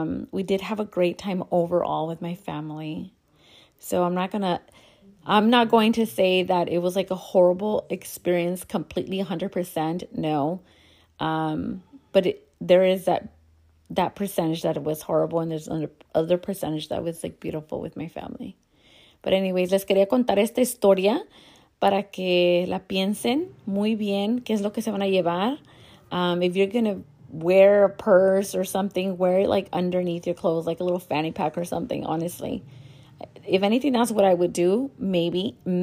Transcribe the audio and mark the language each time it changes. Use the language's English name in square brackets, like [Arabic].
[English] We did have a great time overall with my family. So I'm not going to say that it was like a horrible experience completely 100%. No. But there is that percentage that it was horrible, and there's another percentage that was like beautiful with my family. But anyways, [Spanish] les quería contar esta historia para que la piensen muy bien qué es lo que se van a llevar. [English] If you're going to wear a purse or something, wear it like underneath your clothes, like a little fanny pack or something, honestly. If anything, that's what I would do. Maybe.